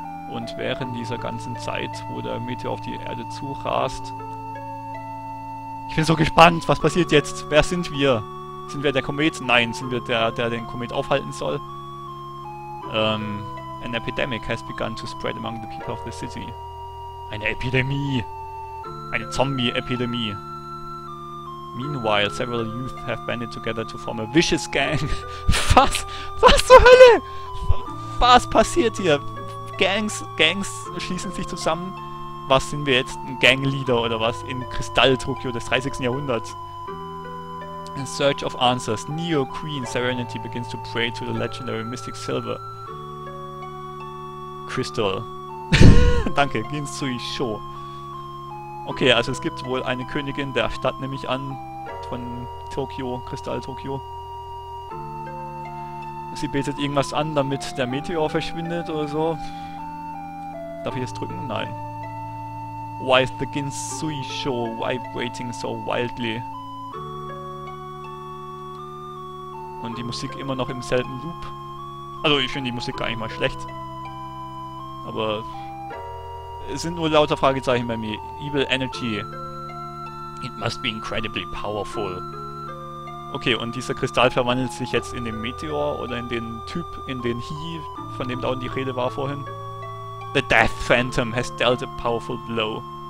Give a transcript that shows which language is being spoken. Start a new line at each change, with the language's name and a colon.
German: Und während dieser ganzen Zeit, wo der Meteor auf die Erde zurast. Ich bin so gespannt, was passiert jetzt? Wer sind wir? Sind wir der Komet? Nein, sind wir der den Komet aufhalten soll?
English: An epidemic has begun to spread among the people of the city.
German: Eine Epidemie! Eine Zombie-Epidemie.
English: Meanwhile, several youth have banded together to form a vicious gang.
German: Was? Was zur Hölle? Was passiert hier? Gangs schließen sich zusammen. Was, sind wir jetzt ein Gangleader oder was? In Kristall-Tokio des 30. Jahrhunderts.
English: In search of answers, Neo Queen Serenity begins to pray to the legendary Mystic Silver.
German: Crystal. Danke, Ginsui Sho. Okay, also es gibt wohl eine Königin der Stadt, nehme ich an, von Tokio, Kristall-Tokio. Sie betet irgendwas an, damit der Meteor verschwindet oder so. Darf ich jetzt drücken? Nein.
English: Why is the Ginsui Sho vibrating so wildly?
German: Und die Musik immer noch im selben Loop. Also ich finde die Musik gar nicht mal schlecht. Aber... Es sind nur lauter Fragezeichen bei mir. Evil Energy.
English: It must be incredibly powerful.
German: Okay, und dieser Kristall verwandelt sich jetzt in den Meteor oder in den Typ, in den He, von dem da unten die Rede war vorhin.
English: The Death Phantom has dealt a powerful blow.